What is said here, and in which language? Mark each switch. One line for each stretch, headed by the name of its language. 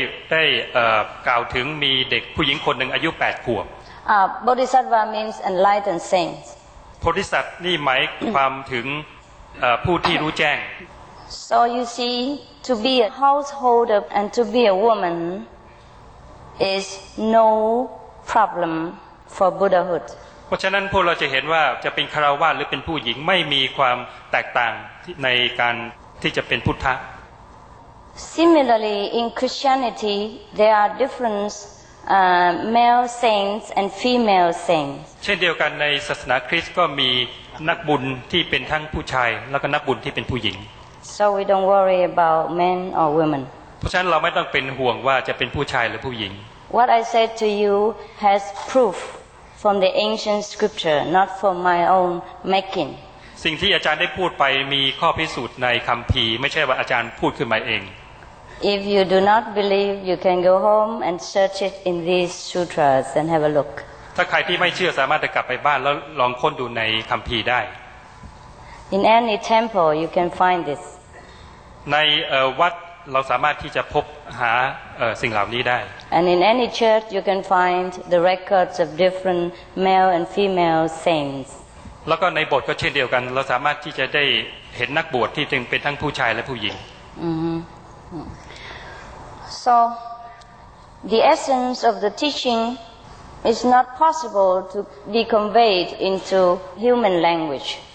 Thai: ได้กล่าวถึงมีเด็กผู้หญิงคนหนึ่งอายุ8ขวบ
English: Bodhisattva means enlightened saints
Thai: Bodhisattva นี่หมายความถึงผู้ที่รู้แจ้ง
English: So you see to be a householder and to be a woman is no problem for Buddhahood
Thai: เพราะฉะนั้นพวกเราจะเห็นว่าจะเป็นคฤหัสถ์หรือเป็นผู้หญิงไม่มีความแตกต่างในการที่จะเป็นพุทธะ
English: Similarly in Christianity there are differenceMale saints and female saints.
Thai: เช่นเดียวกันในศาสนาคริสต์ก็มีนักบุญที่เป็นทั้งผู้ชายแล้วก็นักบุญที่เป็นผู้หญิง
English: So we don't worry about men or women.
Thai: เพราะฉะนั้นเราไม่ต้องเป็นห่วงว่าจะเป็นผู้ชายหรือผู้หญิง
English: What I said to you has proof from the ancient scripture, not from my own making.
Thai: สิ่งที่อาจารย์ได้พูดไปมีข้อพิสูจน์ในคัมภีร์ไม่ใช่ว่าอาจารย์พูดขึ้นมาเอง
English: If you do not believe, you can go home and search it in these sutras and have a look.
Thai: ถ้าใครที่ไม่เชื่อสามารถจะกลับไปบ้านแล้วลองค้นดูในคัมภีร์ได้
English: In any temple, you can find this.
Thai: ในวัดเราสามารถที่จะพบหาสิ่งเหล่านี้ได้
English: And in any church, you can find the records of different male and female saints.
Thai: แล้วก็ในโบสถ์ก็เช่นเดียวกันเราสามารถที่จะได้เห็นนักบวชที่เป็นทั้งผู้ชายและผู้หญิง
English: So, the essence of the teaching is not possible to be conveyed into human language.